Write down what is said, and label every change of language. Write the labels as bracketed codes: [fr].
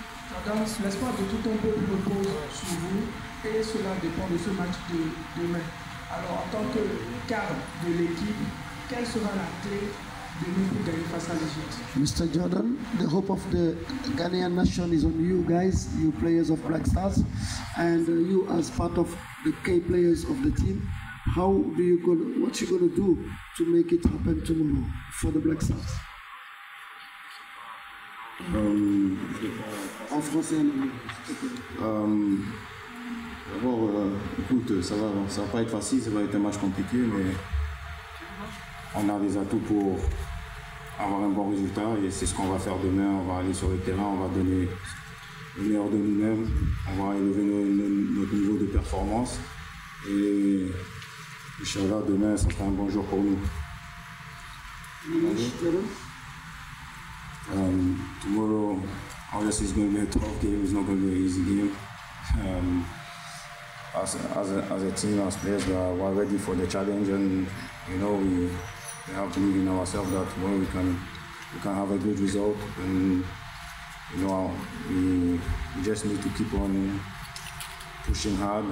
[fr] Jordan, l'espoir de tout un peuple repose sur vous et cela dépend de ce match de demain. Alors, en tant que cadre de l'équipe, quelle sera la clé de nous pour gagner face à l'Égypte? [en] Mr. Jordan, the hope of the Ghanaian nation is on you guys, you players of Black Stars, and you as part of the key players of the team. How do you go? What you gonna do to make it happen tomorrow for the Black Stars? [fr] En français. D'abord, écoute, ça va pas être facile, ça va être un match compliqué, mais on a les atouts pour avoir un bon résultat et c'est ce qu'on va faire demain. On va aller sur le terrain, on va donner le meilleur de nous-mêmes, on va élever notre niveau de performance et Inch'Allah, demain, ça sera un bon jour pour nous. [en] Tomorrow, obviously, it's going to be a tough game. It's not going to be an easy game. as a team, as players, we are ready for the challenge, and you know we have believed in ourselves that when we can have a good result, and you know we just need to keep on pushing hard.